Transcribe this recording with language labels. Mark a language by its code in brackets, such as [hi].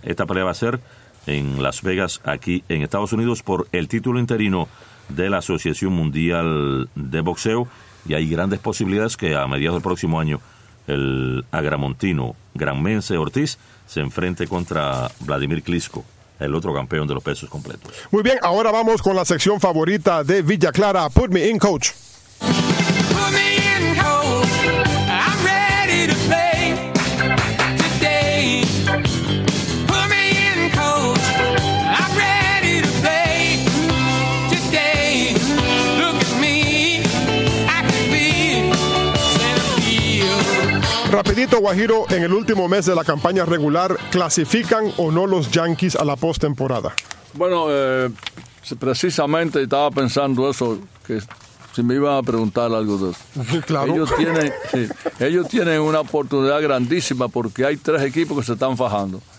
[es] Esta pelea va a ser en Las Vegas, aquí en Estados Unidos, por el título interino de la Asociación Mundial de Boxeo. Y hay grandes posibilidades que a mediados del próximo año el agramontino granmense Ortiz se enfrente contra Vladimir Klitschko, el otro campeón de los pesos completos. Muy bien, ahora vamos con la sección favorita de Villa Clara, Put Me In Coach. [en] Put me in coach, I'm ready to play today. Put me in coach, I'm ready to play today. Look at me, I can be centerfield. [es] Rapidito, Guajiro, en el último mes de la campaña regular, ¿clasifican o no los Yankees a la postemporada? Bueno, precisamente estaba pensando eso, que si me iban a preguntar algo de eso. Claro. Ellos tienen una oportunidad grandísima porque hay 3 equipos que se están fajando.